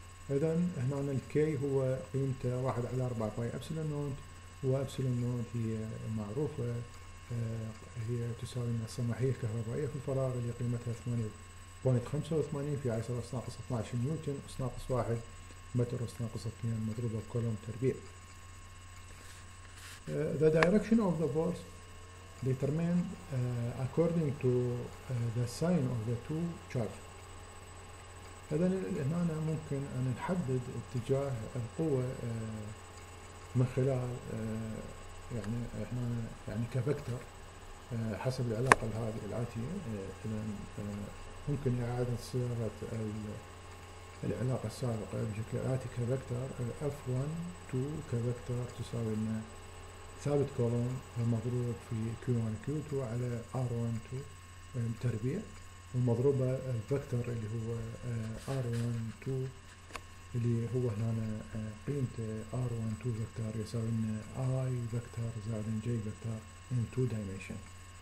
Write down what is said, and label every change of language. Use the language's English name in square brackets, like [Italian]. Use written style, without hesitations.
[Arabic] إذا هنا الكي هو قيمته 1 على 4 باي ابسلون نوت، وابسلون نوت هي معروفة هي تساوي السماحية الكهربائية في الفراغ اللي قيمتها 8.85 في 10 أس ناقص 12 نيوتن أس ناقص 1 متر أس ناقص 2 مضروبة بكولوم تربيع. [English] The direction of the force determined according to the sign of the two charges. [Arabic] إذا هنا ممكن أن نحدد اتجاه القوة من خلال يعني احنا يعني كفكتور حسب العلاقة هذه الآتية. إذا ممكن إعادة صياغة العلاقة السابقة بشكل آتي: كفكتور F12 كفكتور تساوي لنا ثابت كولوم مضروب في Q1 Q2 على R12 تربيع، ومضروبة الفكتور اللي هو R12 اللي هو هنا قيمة R12 فكتور يساوي لنا I فكتور زائد J فكتور [English] in 2 dimension.